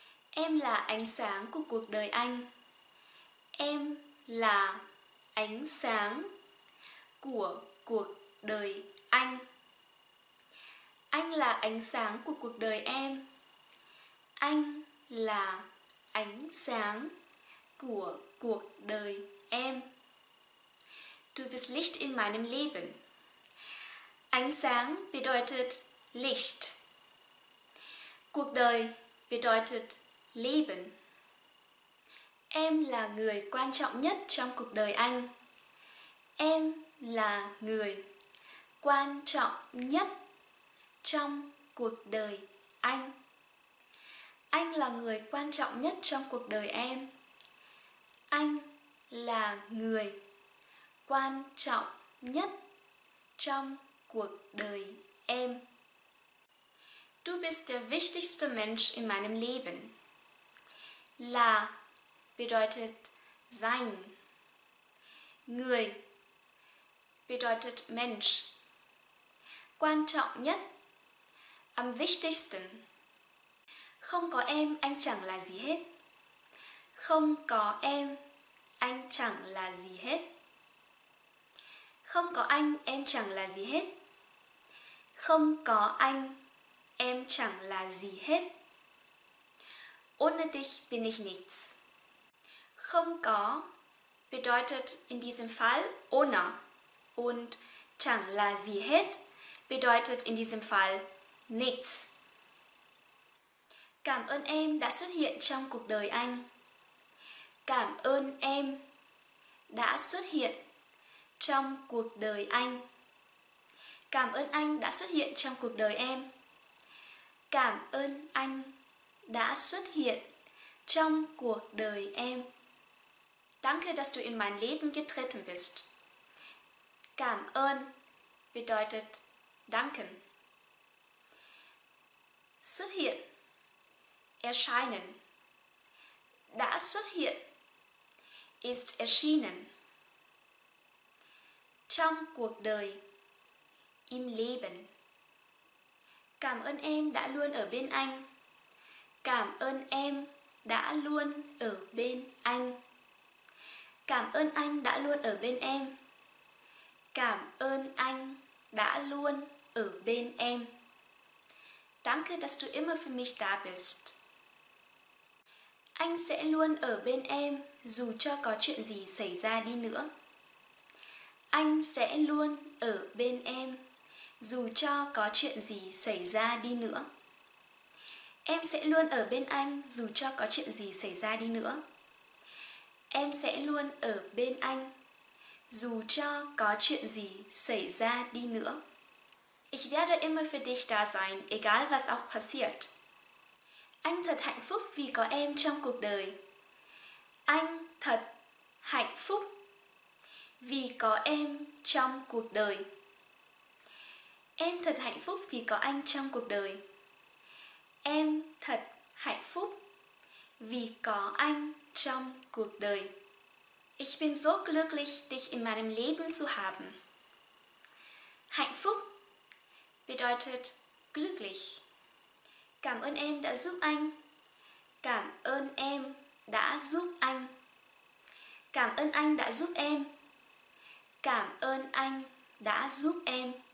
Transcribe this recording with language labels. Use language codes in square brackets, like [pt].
[vi] Em là ánh sáng của cuộc đời anh. Em là ánh sáng của cuộc đời anh. Anh là ánh sáng của cuộc đời em. Anh là ánh sáng của cuộc đời em. [de] Du bist Licht in meinem Leben. [vi] Ánh sáng [de] bedeutet Licht. [vi] Cuộc đời [de] bedeutet Leben. [vi] Em là người quan trọng nhất trong cuộc đời anh. Em là người quan trọng nhất trong cuộc đời anh. Anh là người quan trọng nhất trong cuộc đời em. Anh là người quan trọng nhất trong cuộc đời em. [de] Du bist der wichtigste Mensch in meinem Leben. [vi] Là [de] bedeutet sein. [vi] Người [de] bedeutet Mensch. [vi] Quan trọng nhất. [de] Am wichtigsten. [vi] Không có em, anh chẳng là gì hết. Không có em, anh chẳng là gì hết. Không có anh, em chẳng là gì hết. Không có anh, em chẳng là gì hết. [de] Ohne dich bin ich nichts. [vi] Không có [de] bedeutet in diesem Fall ohne. Und [vi] chẳng là gì hết [de] bedeutet in diesem Fall nichts. [vi] Cảm ơn em đã xuất hiện trong cuộc đời anh. Cảm ơn em đã xuất hiện trong cuộc đời anh. Cảm ơn anh đã xuất hiện trong cuộc đời em. Cảm ơn anh đã xuất hiện trong cuộc đời em. [de] Danke, dass du in mein Leben getreten bist. [vi] Cảm ơn [de] bedeutet danken. [vi] Xuất hiện. [de] Erscheinen. [vi] Đã xuất hiện. [de] Ist erschienen. [vi] Trong cuộc đời. [de] Im Leben. [vi] Cảm ơn em đã luôn ở bên anh. Cảm ơn em đã luôn ở bên anh. Cảm ơn anh đã luôn ở bên em. Cảm ơn anh đã luôn ở bên em. [de] Danke, dass du immer für mich da bist. [vi] Anh sẽ luôn ở bên em dù cho có chuyện gì xảy ra đi nữa. Anh sẽ luôn ở bên em dù cho có chuyện gì xảy ra đi nữa. Em sẽ luôn ở bên anh dù cho có chuyện gì xảy ra đi nữa. Em sẽ luôn ở bên anh dù cho có chuyện gì xảy ra đi nữa. [de] Ich werde immer für dich da sein, egal was auch passiert. [vi] Anh thật hạnh phúc vì có em trong cuộc đời. Anh thật hạnh phúc vì có em trong cuộc đời. Em thật hạnh phúc vì có anh trong cuộc đời. Em thật hạnh phúc vì có anh trong cuộc đời. [de] Ich bin so glücklich, dich in meinem Leben zu haben. [vi] Hạnh phúc [de] bedeutet glücklich. [vi] Cảm ơn em đã giúp anh. Cảm ơn em đã giúp anh. Cảm ơn anh đã giúp em. Cảm ơn anh đã giúp em.